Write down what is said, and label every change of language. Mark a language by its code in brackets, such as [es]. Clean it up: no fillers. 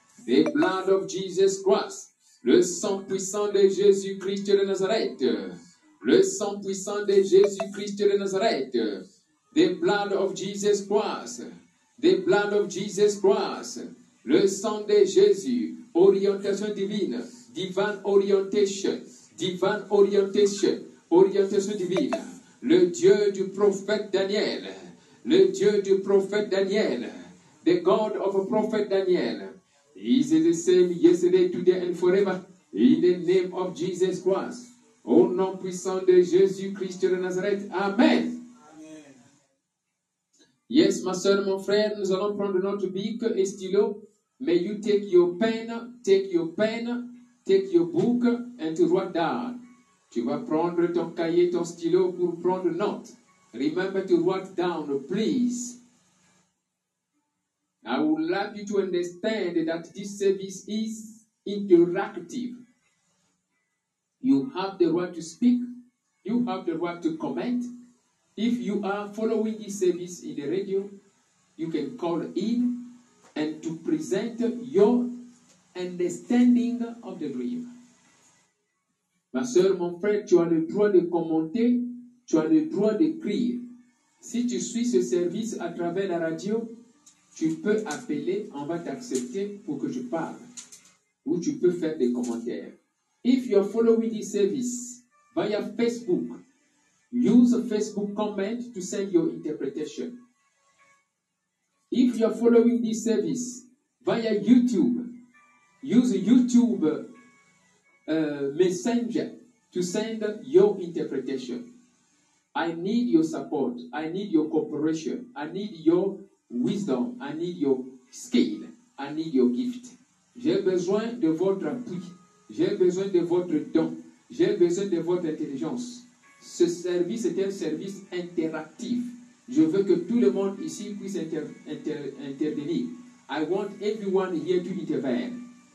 [en] The blood of Jesus Christ, [fr] le sang puissant de Jésus-Christ de Nazareth, le sang puissant de Jésus-Christ de Nazareth, [en] the blood of Jesus Christ, [fr] the blood of Jesus Christ, le sang de Jésus, orientation divine, [en] divine orientation, [fr] orientation divine, le Dieu du prophète Daniel, le Dieu du prophète Daniel, [en] the God of prophète Daniel, He is the same yesterday, today, and forever. In the name of Jesus Christ. [fr] Au nom puissant de Jésus-Christ de Nazareth. Amen. Amen. Yes, ma soeur, mon frère, nous allons prendre notre bic et stylo. [en] May you take your pen, take your pen, take your book, and to write down. [fr] Tu vas prendre ton cahier, ton stylo pour prendre note. [en] Remember to write down, please. I would like you to understand that this service is interactive. You have the right to speak. You have the right to comment. If you are following this service in the radio, you can call in and to present your understanding of the dream. [fr] Ma soeur, mon frère, tu as le droit de commenter. Tu as le droit d'écrire. Si tu suis ce service à travers la radio, tu peux appeler, on va t'accepter pour que je parle. Ou tu peux faire des commentaires. [en] If you are following this service via Facebook, use Facebook comment to send your interpretation. If you are following this service via YouTube, use YouTube Messenger to send your interpretation. I need your support. I need your cooperation. I need your wisdom, I need your skill, I need your gift. [fr] J'ai besoin de votre appui, j'ai besoin de votre don, j'ai besoin de votre intelligence. Ce service est un service interactif. Je veux que tout le monde ici puisse intervenir. [en] I want everyone here to intervene.